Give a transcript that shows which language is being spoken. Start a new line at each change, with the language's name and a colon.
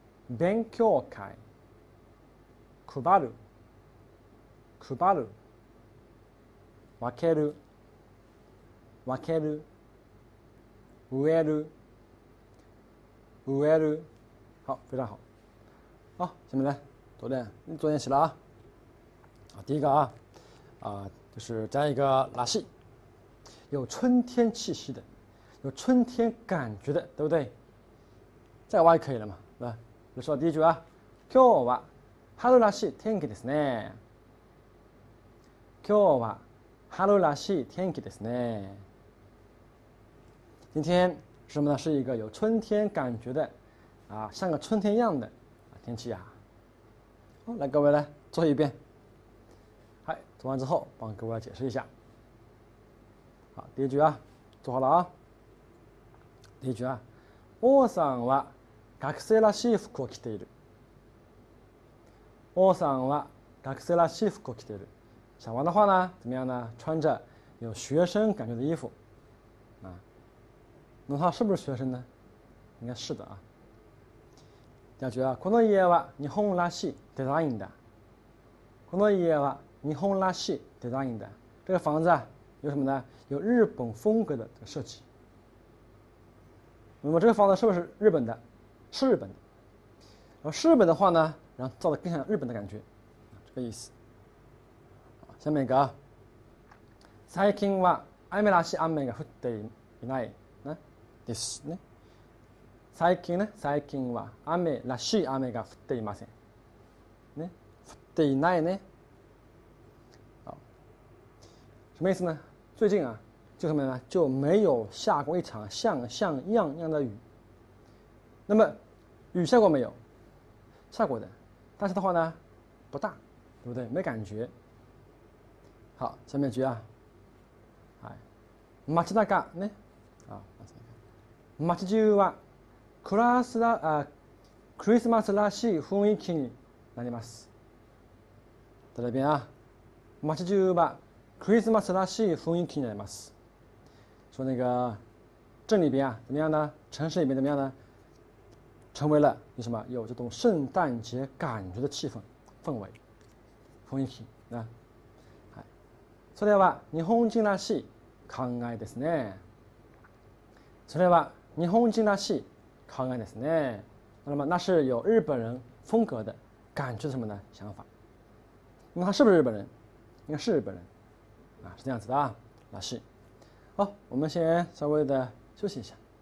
Japanese: 勉強会、配る、配る、分ける、分ける、植える、植える。
Chinese: 好，非常好。好，下面来，昨天你昨天写了啊。啊，第一个啊，就是加一个拉西，有春天气息的，有春天感觉的，对不对？再挖也可以了嘛，来。
Japanese: よし、第一句は、今日は春らしい天気ですね。今日は春らしい天気ですね。
Chinese: 今天是什么呢？是一个有春天感觉的，啊，像个春天一样的天气呀。好，来，各位来做一遍。嗨，做完之后帮各位解释一下。好，第一句啊，做好了啊。第一句啊，
Japanese: 王さんは学生らしい服を着ている。王さんは学生らしい服を着ている。
Chinese: 小王的话呢，怎么样呢？穿着有学生感觉的衣服啊。那他是不是学生呢？应该是的啊。第二句啊，
Japanese: この家は日本らしいデザインだ。この家は日本らしいデザインだ。
Chinese: 这个房子啊，有什么呢？有日本风格的设计。那么这个房子是不是日本的？是日本的，然后是日本的话呢，然后造的更像日本的感觉，这个意思。
Japanese: 姉妹が、最近は雨らしい雨が降っていないな、ですね。最近ね、最近は雨らしい雨が降っていません。ね、降っていないね。
Chinese: 什么意思呢？最近啊，就什么呢？就没有下过一场像样的雨。那么，雨下过没有？下过的，但是的话呢，不大，对不对？没感觉。好，下面一句啊，
Japanese: 街中ね，街中はクラスだ、あ、クリスマスらしい雰囲気になります。
Chinese: 在这边啊，
Japanese: 街中はクリスマスらしい雰囲気になります。
Chinese: 说那个镇里边啊，怎么样呢？城市里面怎么样呢？成为了有什么？有这种圣诞节感觉的气氛、氛围、雰囲気啊。
Japanese: それは日本人らしい考えですね。それは日本人らしい考えですね。
Chinese: 那么那是有日本人风格的感觉什么呢？想法。那他是不是日本人？应该是日本人。啊，是这样子的啊，老师。好，我们先稍微的休息一下。